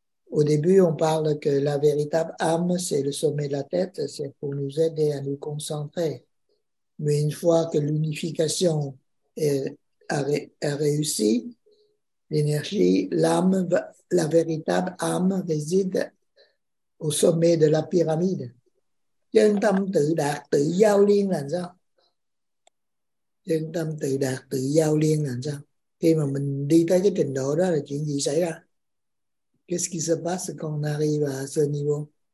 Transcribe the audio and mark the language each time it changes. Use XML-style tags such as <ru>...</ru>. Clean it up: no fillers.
<fr>Au début, on parle que la véritable âme, c'est le sommet de la tête, c'est pour nous aider à nous concentrer. Mais une fois que l'unification a réussi, l'énergie, l'âme, la véritable âme réside au sommet de la pyramide.</fr> <vi>Chân tâm tự đạt tự giao liên là sao? Chân tâm tự đạt tự giao liên là sao? Khi mà mình đi tới cái trình độ đó là chuyện gì xảy ra?</vi> <fr>Qu'est-ce qui se passe quand on arrive à ce niveau?</fr>